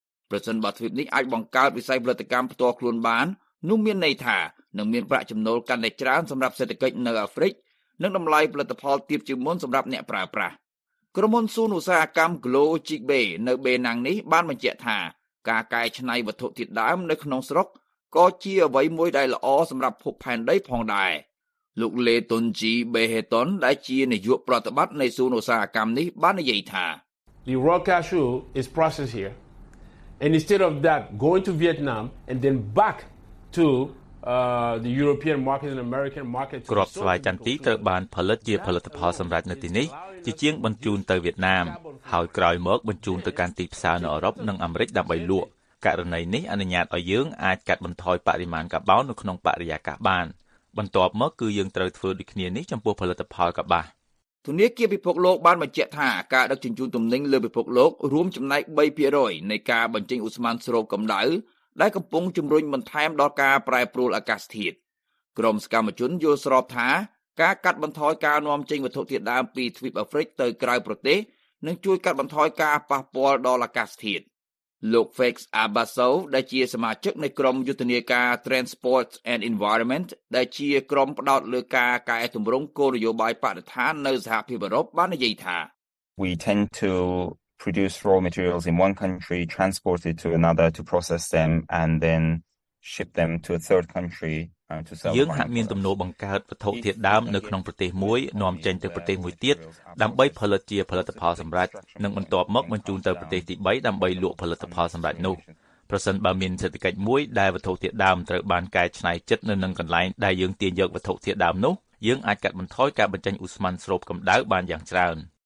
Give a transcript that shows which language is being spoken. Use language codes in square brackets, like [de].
[km] ប្រសិនបើទ្វីបនេះអាចបង្កើតវិស័យផលិតកម្មផ្ទាល់ខ្លួនបាននោះមានន័យថានឹងមានប្រាក់ចំណូលកាន់តែច្រើនសម្រាប់សេដ្ឋកិច្ចនៅអាហ្វ្រិកនិងតម្លៃផលិតផលទាបជាងមុនសម្រាប់អ្នកប្រើប្រាស់ក្រុមហ៊ុនសួនឧស្សាហកម្ម Geologic Bay នៅបេណាំងនេះបានបញ្ជាក់ថាការកែច្នៃវត្ថុធាតុដើមនៅក្នុងស្រុកក៏ជាអ្វីមួយដែលល្អសម្រាប់ភពផែនដីផងដែរលោកលេតុនជីបេហេតុនដែលជានាយកប្រតិបត្តិនៃសួនឧស្សាហកម្មនេះបាននិយាយថា [en] The raw cashew is processed here and instead of that going to Vietnam and then back to the European market and American market [km] គ្រាប់ស្វាយចន្ទីត្រូវបានផលិតជាផលិតផលសម្រាប់នៅទីនេះជាជាងបញ្ជូនទៅវៀតណាមហើយក្រោយមកបញ្ជូនទៅកាន់ទីផ្សារនៅអឺរ៉ុបនិងអាមេរិកដើម្បីលក់ករណីនេះអនុញ្ញាតឲ្យយើងអាចកាត់បន្ថយបរិមាណកាបូននៅក្នុងបរិយាកាសបានបន្ទាប់មកគឺយើងត្រូវធ្វើដូចគ្នានេះចំពោះផលិតផលកាបាស ធនាគារពិភពលោកបានបញ្ជាក់ថាការដឹកជញ្ជូនទំនិញលើពិភពលោករួមចំណែក 3% នៃការបញ្ចេញឧស្ម័នស្រូបកម្ដៅដែលកំពុងជំរុញបន្ថែមដល់ការប្រែប្រួលអាកាសធាតុក្រុមសកម្មជនយល់ស្របថាការកាត់បន្ថយការនាំចេញវត្ថុធាតុដើមពីទ្វីបអាហ្វ្រិកទៅក្រៅប្រទេសនឹងជួយកាត់បន្ថយការប៉ះពាល់ដល់អាកាសធាតុ លោក Fex Abasov ដែលជាសមាជិកនៃក្រុមយុទ្ធនាការ Transport and Environment ដែលជាក្រុមផ្ដោតលើការកែតម្រង់គោលនយោបាយបរិស្ថាននៅសហភាពអឺរ៉ុបបាននិយាយថា [en] We tend to produce raw materials in one country, transport it to another to process them and then ship them to a third country. [km] យើងហាក់មានទំនោរបង្កើតវត្ថុធាតុដើមនៅក្នុងប្រទេសមួយនាំចេញទៅប្រទេសមួយទៀតដើម្បីផលិតជាផលិតផលសម្រាប់និងបន្ទាប់មកបញ្ជូនទៅប្រទេសទី3ដើម្បីលក់ផលិតផលសម្រាប់នោះប្រសិនបើមានសេដ្ឋកិច្ចមួយដែលវត្ថុធាតុដើមត្រូវបានកែច្នៃចិត្តនៅនឹងកន្លែងដែលយើងទាញយកវត្ថុធាតុដើមនោះយើងអាចកាត់បន្ថយការបញ្ចេញឧស្ម័នស្រូបកម្ដៅបានយ៉ាងច្រើន